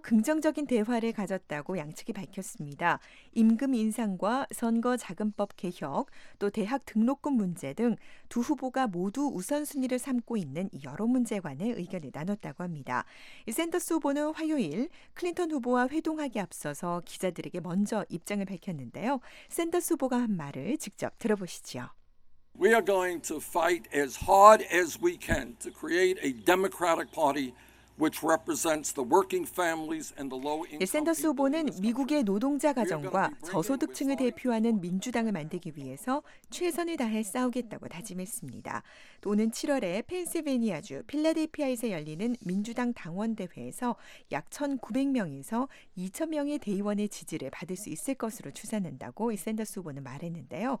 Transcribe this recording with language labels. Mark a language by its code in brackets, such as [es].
[ko] 긍정적인 대화를 가졌다고 양측이 밝혔습니다. 임금 인상과 선거 자금법 개혁, 또 대학 등록금 문제 등 두 후보가 모두 우선순위를 삼고 있는 여러 문제에 관해 의견을 나눴다고 합니다. 이 샌더스 후보는 화요일 클린턴 후보와 회동하기 앞서서 기자들에게 먼저 입장을 밝혔는데요. 샌더스 후보가 한 말을 직접 들어보시죠. [en] We are going to fight as hard as we can to create a Democratic Party which represents the working families and the low income. [ko] 샌더스 후보는 미국의 노동자 가정과 저소득층을 대표하는 민주당을 만들기 위해서 최선을 다해 싸우겠다고 다짐했습니다. 또 오는 7월에 펜실베니아주 필라델피아에서 열리는 민주당 당원 대회에서 약 1,900명에서 2,000명의 대의원의 지지를 받을 수 있을 것으로 추산한다고 샌더스 후보는 말했는데요.